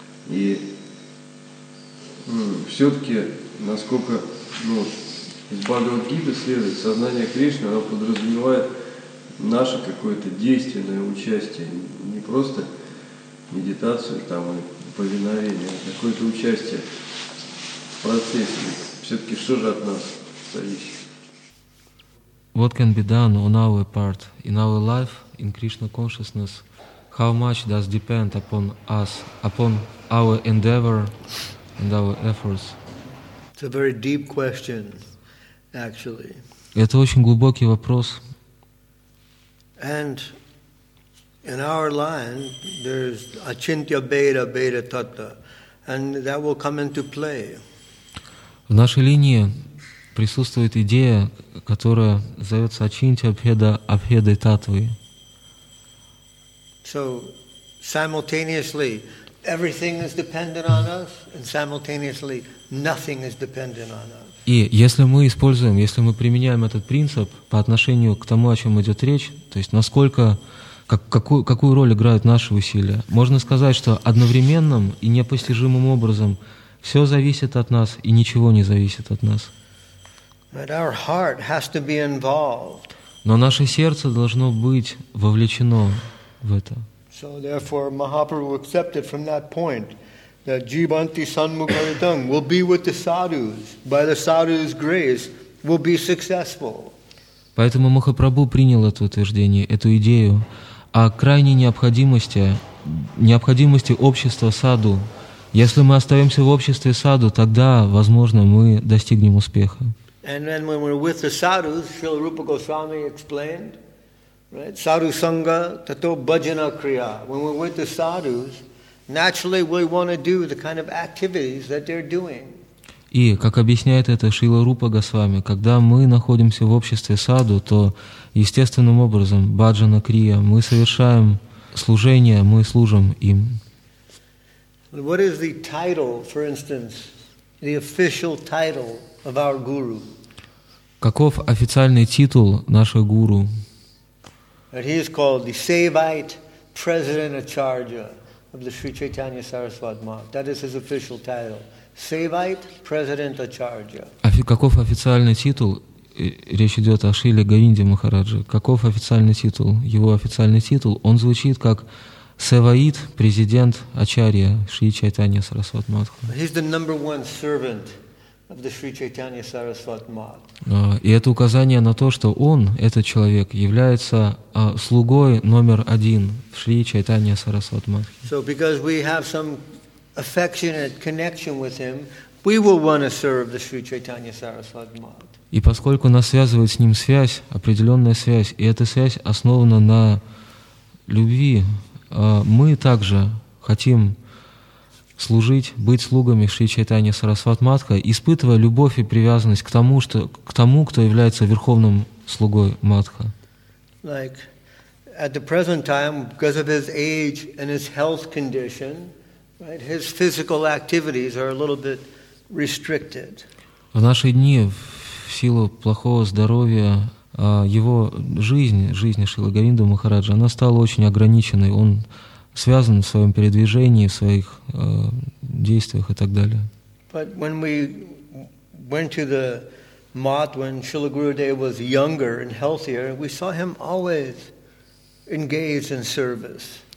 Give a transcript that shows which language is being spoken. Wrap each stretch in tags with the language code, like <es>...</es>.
<ru>И все-таки, насколько из Бхагавад-гиты следует, сознание Кришны, оно подразумевает наше какое-то действенное участие, не просто медитацию там, и повиновение, а какое-то участие в процессе. Все-таки что же от нас зависит?</ru> <en>What can be done on our part, in our life, in Krishna consciousness? How much does depend upon us, upon our endeavor and our efforts? It's a very deep question, actually.</en> <ru>Это очень глубокий вопрос.</ru> <en>And in our line, there's achintya bheda, bheda tatta, and that will come into play.</en> <ru>В нашей линии присутствует идея, которая зовется Ачинтья Бхеда Абхеда Таттвы.</ru> <en>So simultaneously everything is dependent on us, and simultaneously nothing is dependent on us.</en> <ru>И если мы используем, если мы применяем этот принцип по отношению к тому, о чем идет речь, то есть насколько, какую роль играют наши усилия, можно сказать, что одновременным и непостижимым образом все зависит от нас и ничего не зависит от нас.</ru> <en>But our heart has to be involved.</en> <ru>Но наше сердце должно быть вовлечено в это.</ru> <en>So therefore, Mahaprabhu accepted from that point that jibanti sanmukaritam will be with the sadhus. By the sadhus' grace, will be successful.</en> <ru>Поэтому Махапрабху принял это утверждение, эту идею о крайней необходимости общества саду. Если мы остаемся в обществе саду, тогда, возможно, мы достигнем успеха.</ru> <en>And then when we're with the sadhus, Srila Rupa Goswami explained, right?</en> <sa>Sadhu sangha tato bhajana kriya.</sa> <en>When we're with the sadhus, naturally we want to do the kind of activities that they're doing.</en> <ru>И как объясняет это Шрила Рупа Госвами, когда мы находимся в обществе саду, то естественным образом бхаджана крия, мы совершаем служение, мы служим им.</ru> <en>What is the title, for instance, the official title of our guru?</en> <ru>Каков официальный титул нашего гуру?</ru> <en>He is called the Saivite President Acharya of the Sri Chaitanya Saraswat Math. That is his official title. Saivite President Acharya.</en> <ru>Каков официальный титул? Речь идет о Шриле Говинде Махараджи. Каков официальный титул? Его официальный титул, он звучит как Saivite President Acharya Sri Chaitanya Saraswat Math.</ru> <en>He's the number one servant of the Sri Chaitanya Saraswat Math.</en> <ru>И это указание на то, что он, этот человек, является слугой номер один в Шри Чайтанья Сарасват Матхи.</ru> <en>So because we have some affectionate connection with him, we will want to serve the Sri Chaitanya Saraswat Math.</en> <ru>И поскольку нас связывает с ним связь, определенная связь, и эта связь основана на любви, мы также хотим служить, быть слугами Шри Чайтанья Сарасват Матха, испытывая любовь и привязанность к тому, кто является верховным слугой Матха.</ru> <en>Like at the present time, because of his age and his health condition, right, his physical activities are a little bit restricted.</en> <ru>В наши дни, в силу плохого здоровья, его жизнь Шрилы Говинды Махараджи, она стала очень ограниченной. Он связан в своем передвижении, в своих действиях и так далее.</ru> <en>But when we went to the mat when Srila Gurudev was younger and healthier, we saw him always engaged in service.</en>